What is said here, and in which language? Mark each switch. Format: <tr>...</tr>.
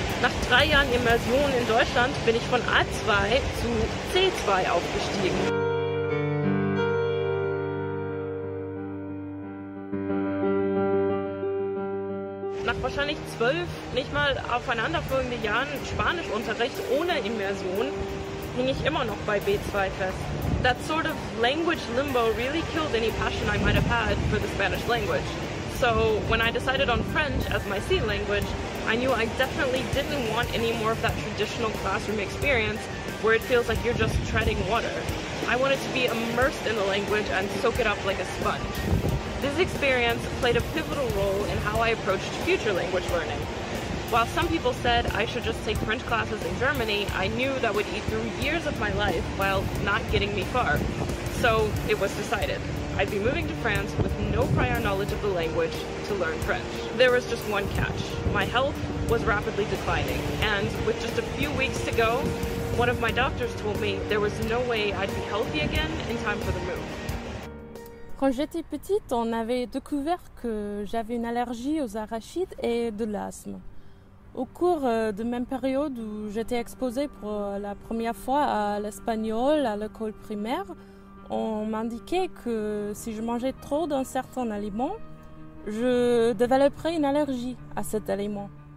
<de>Nach 3 Jahren Immersion in Deutschland bin ich von A2 zu C2 aufgestiegen. Wahrscheinlich 12 nicht mal aufeinanderfolgende Jahren Spanischunterricht ohne Immersion hing ich immer noch bei B2 fest.</de> <en>That sort of language limbo really killed any passion I might have had for the Spanish language. So when I decided on French as my C language, I knew I definitely didn't want any more of that traditional classroom experience where it feels like you're just treading water. I wanted to be immersed in the language and soak it up like a sponge. This experience played a pivotal role in how I approached future language learning. While some people said I should just take French classes in Germany, I knew that would eat through years of my life while not getting me far. So it was decided. I'd be moving to France with no prior knowledge of the language to learn French. There was just one catch. My health was rapidly declining, and with just a few weeks to go, one of my doctors told me there was no way I'd be healthy again in time for the move.</en> <fr>Quand j'étais petite, on avait découvert que j'avais une allergie aux arachides et de l'asthme. Au cours de même période où j'étais exposée pour la première fois à l'espagnol à l'école primaire, on m'indiquait que si je mangeais trop d'un certain aliment, je développerais une allergie à cet aliment.</fr>